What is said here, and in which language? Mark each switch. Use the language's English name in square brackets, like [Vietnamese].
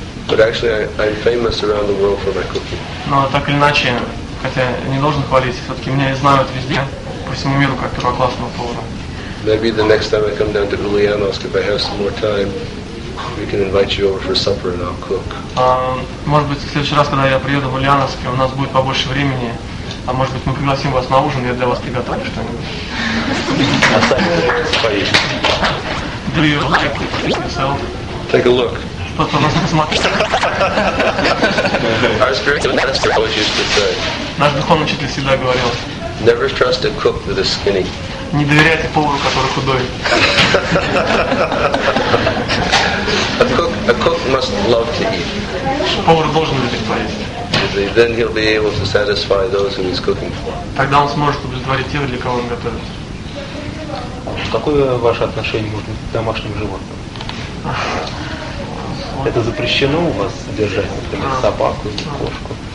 [English] But actually, I'm famous around the world for my cooking. [Russian] Но так или иначе, хотя не должен хвалить, все-таки меня знают везде по всему миру как первоклассного повара. [English] Maybe the next time I come down to Ulyanovsk, if I have some more time, we can invite you over for supper and I'll cook. [Russian] Может быть, в следующий раз, когда я приеду в Ульяновск, у нас будет побольше времени, а может быть, мы пригласим вас на ужин, я для вас приготовлю что-нибудь. [English] Do you like yourself? Take a look. [Russian] Наш духовный учитель всегда говорил: [English] Never trust a cook with a skinny. [Russian] Не доверяйте повару, который худой. [English] A cook must love to eat. [Russian] Повар должен любить поесть. [English] Then he'll be able to satisfy those who he's cooking for. [Russian] Тогда он сможет удовлетворить тех, для кого он готовит. Какое ваше отношение к домашним животным? Это запрещено у вас держать, например, собаку или кошку?